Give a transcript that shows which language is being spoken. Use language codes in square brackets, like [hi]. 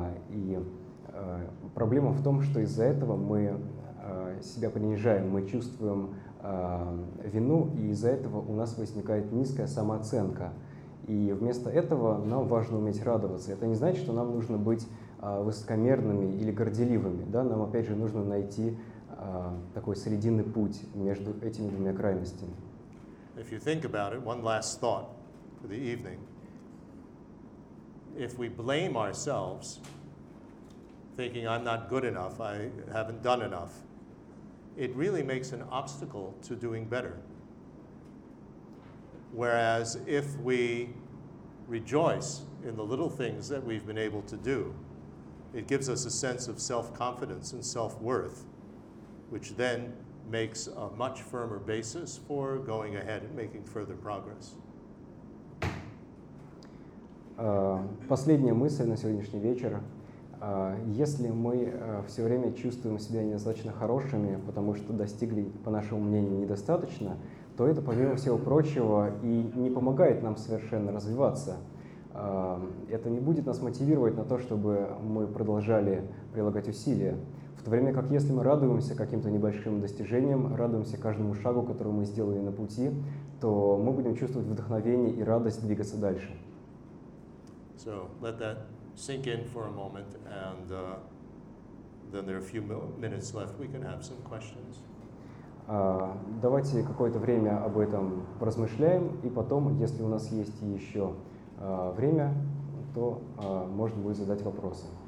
[ru] И проблема в том, что из-за этого мы себя принижаем, мы чувствуем вину, и из-за этого у нас возникает низкая самооценка. И вместо этого нам важно уметь радоваться. Это не значит, что нам нужно быть высокомерными или горделивыми. Да? Нам, опять же, нужно найти такой срединный путь между этими двумя крайностями. [en] If you think about it, one last thought for the evening. If we blame ourselves, thinking I'm not good enough, I haven't done enough, it really makes an obstacle to doing better. Whereas if we rejoice in the little things that we've been able to do, it gives us a sense of self-confidence and self-worth, which then makes a much firmer basis for going ahead and making further progress. [ru] Последняя мысль на сегодняшний вечер. Если мы все время чувствуем себя недостаточно хорошими, потому что достигли, по нашему мнению, недостаточно, то это, помимо всего прочего, и не помогает нам совершенно развиваться. Это не будет нас мотивировать на то, чтобы мы продолжали прилагать усилия. В то время как если мы радуемся каким-то небольшим достижениям, радуемся каждому шагу, который мы сделали на пути, то мы будем чувствовать вдохновение и радость двигаться дальше. [en] So, let that sink in for a moment, and then there are a few minutes left. We can have some questions. [ru] Давайте какое-то время об этом поразмышляем, и потом, если у нас есть еще время, то можно будет задать вопросы.